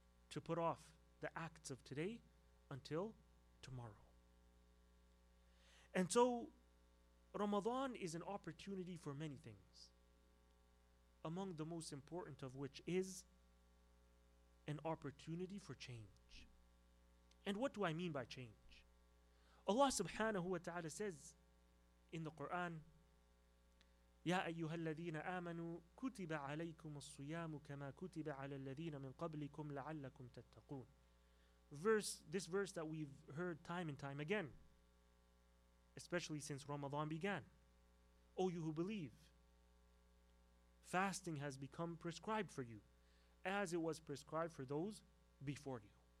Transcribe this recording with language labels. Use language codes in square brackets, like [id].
[en] To put off the acts of today until tomorrow. And so Ramadan is an opportunity for many things, among the most important of which is an opportunity for change. And what do I mean by change? Allah subhanahu wa ta'ala says in the Quran, [ar] يَا أَيُّهَا الَّذِينَ آمَنُوا كُتِبَ عَلَيْكُمُ الصِّيَامُ كَمَا كُتِبَ عَلَى الَّذِينَ مِنْ قَبْلِكُمْ لَعَلَّكُمْ تَتَّقُونَ [en] This verse that we've heard time and time again, especially since Ramadan began. O you who believe, fasting has become prescribed for you as it was prescribed for those before you.